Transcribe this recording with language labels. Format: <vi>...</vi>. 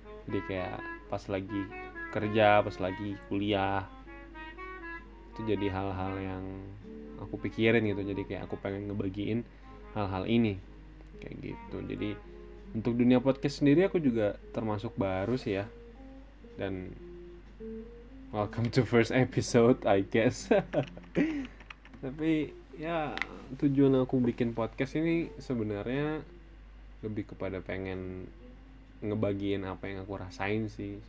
<id>Jadi kayak pas lagi kerja, pas lagi kuliah, itu jadi hal-hal yang aku pikirin gitu. Jadi kayak aku pengen ngebagiin hal-hal ini kayak gitu. Jadi untuk dunia podcast sendiri aku juga termasuk baru sih ya. Dan</id> <en>welcome to first episode, I guess.</en> <id>Tapi ya tujuan aku bikin podcast ini sebenarnya lebih kepada pengen ngebagiin apa yang aku rasain sih.</id>